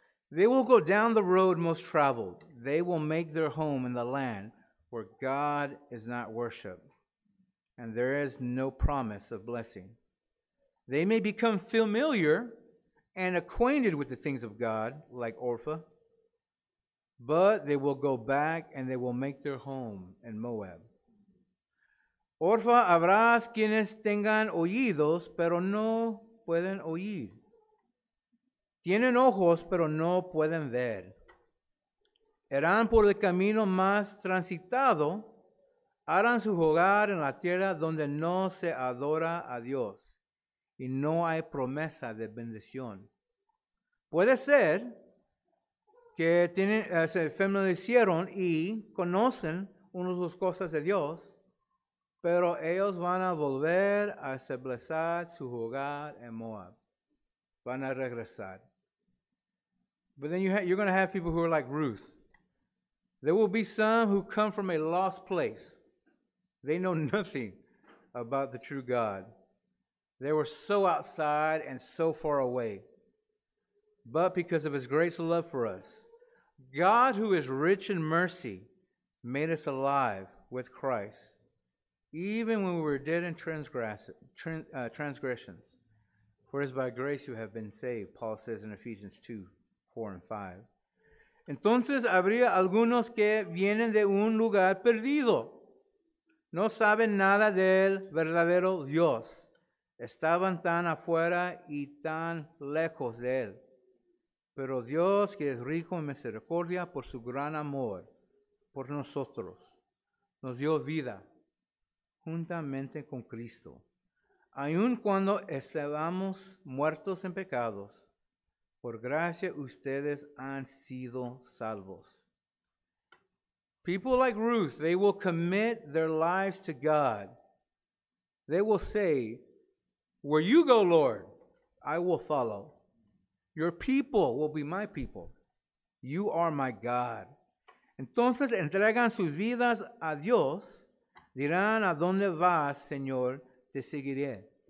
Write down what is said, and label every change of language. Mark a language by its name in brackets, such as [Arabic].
[English] They will go down the road most traveled. They will make their home in the land where God is not worshipped. And there is no promise of blessing. They may become familiar and acquainted with the things of God, like Orpha, but they will go back and they will make their home in Moab. [Spanish] Orpha, habrás quienes tengan oídos, pero no pueden oír. Tienen ojos, pero no pueden ver. Irán por el camino más transitado. Harán su hogar en la tierra donde no se adora a Dios y no hay promesa de bendición. Puede ser que tienen, se familiarizaron y conocen unos las cosas de Dios, pero ellos van a volver a establecer su hogar en Moab. Van a regresar. [English] But then you're going to have people who are like Ruth. There will be some who come from a lost place. They know nothing about the true God. They were so outside and so far away. But because of his great love for us, God, who is rich in mercy, made us alive with Christ, even when we were dead in transgressions. For it is by grace you have been saved, Paul says in Ephesians 2, 4 and 5. [Spanish] Entonces habría algunos que vienen de un lugar perdido. No saben nada del verdadero Dios. Estaban tan afuera y tan lejos de él. Pero Dios, que es rico en misericordia por su gran amor por nosotros, nos dio vida juntamente con Cristo. Aun cuando estábamos muertos en pecados, por gracia ustedes han sido salvos. [English] People like Ruth, they will commit their lives to God. They will say, "Where you go, Lord, I will follow. Your people will be my people. You are my God." [Spanish] Entonces entregan sus vidas a Dios. Dirán, "¿A dónde vas, Señor? Te seguiré.